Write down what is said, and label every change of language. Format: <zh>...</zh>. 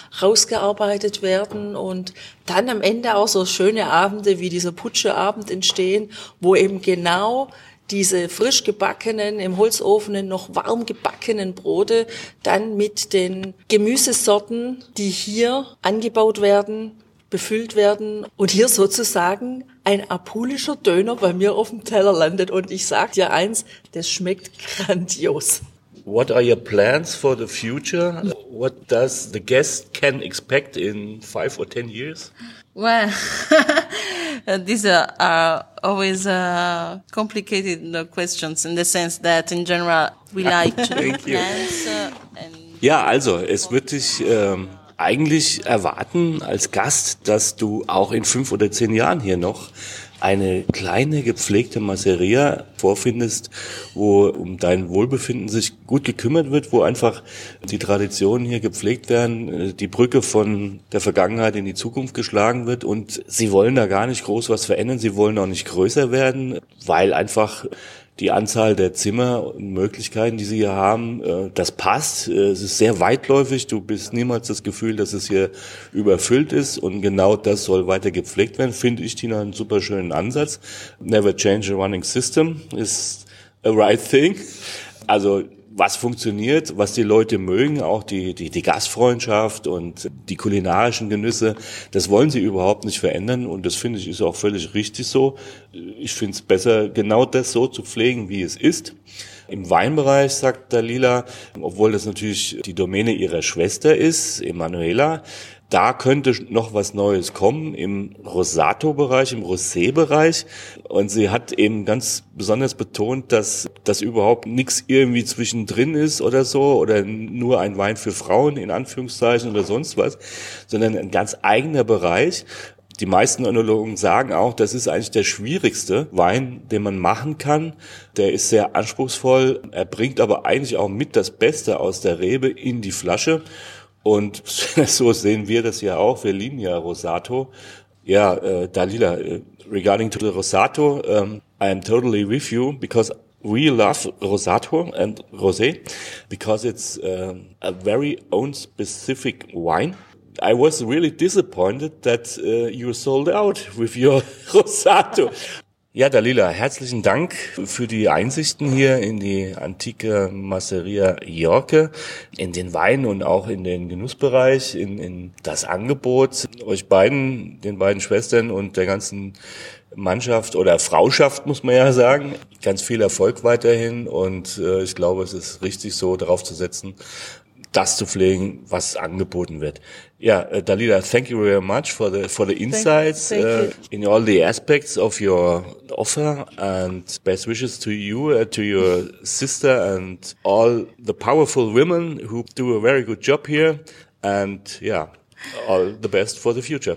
<de>rausgearbeitet werden und dann am Ende auch so schöne Abende wie dieser Putscheabend entstehen, wo eben genau diese frisch gebackenen, im Holzofen noch warm gebackenen Brote dann mit den Gemüsesorten, die hier angebaut werden, befüllt werden und hier sozusagen ein apulischer Döner bei mir auf dem Teller landet. Und ich sag dir eins, das schmeckt grandios.</de> <en>What are your plans for the future? What does the guest can expect in 5 or 10 years? Well, these are always complicated questions in the sense that in general we like to plan.</en> <de>Ja, also es wird dich eigentlich erwarten als Gast, dass du auch in 5 oder 10 Jahren hier noch eine kleine gepflegte Masseria vorfindest, wo um dein Wohlbefinden sich gut gekümmert wird, wo einfach die Traditionen hier gepflegt werden, die Brücke von der Vergangenheit in die Zukunft geschlagen wird und sie wollen da gar nicht groß was verändern, sie wollen auch nicht größer werden, weil einfach die Anzahl der Zimmer und Möglichkeiten, die sie hier haben, das passt. Es ist sehr weitläufig. Du bist niemals das Gefühl, dass es hier überfüllt ist. Und genau das soll weiter gepflegt werden. Finde ich, Tina, einen super schönen Ansatz.</de> <en>Never change a running system is a right thing.</en> <de>Also was funktioniert, was die Leute mögen, auch die Gastfreundschaft und die kulinarischen Genüsse, das wollen sie überhaupt nicht verändern und das finde ich ist auch völlig richtig so. Ich finde es besser, genau das so zu pflegen, wie es ist. Im Weinbereich, sagt Dalila, obwohl das natürlich die Domäne ihrer Schwester ist, Emanuela, da könnte noch was Neues kommen im Rosato-Bereich, im Rosé-Bereich. Und sie hat eben ganz besonders betont, dass das überhaupt nichts irgendwie zwischendrin ist oder so oder nur ein Wein für Frauen in Anführungszeichen oder sonst was, sondern ein ganz eigener Bereich. Die meisten Önologen sagen auch, das ist eigentlich der schwierigste Wein, den man machen kann. Der ist sehr anspruchsvoll. Er bringt aber eigentlich auch mit das Beste aus der Rebe in die Flasche. Und so sehen wir das ja auch. Wir lieben ja Rosato.</de> <en>Ja, Dalila, regarding to the Rosato, I am totally with you because we love Rosato and Rosé because it's a very own specific wine. I was really disappointed that you sold out with your Rosato.</en> <de>Ja, Dalila, herzlichen Dank für die Einsichten hier in die antike Masseria Jorke, in den Wein und auch in den Genussbereich, in das Angebot. Euch beiden, den beiden Schwestern und der ganzen Mannschaft oder Frauschaft, muss man ja sagen, ganz viel Erfolg weiterhin. Und ich glaube, es ist richtig so, darauf zu setzen, das zu pflegen, was angeboten wird.</de> <en>Ja, Dalila, thank you very much for the insights in all the aspects of your offer, and best wishes to you, to your sister and all the powerful women who do a very good job here. And yeah, all the best for the future.</en>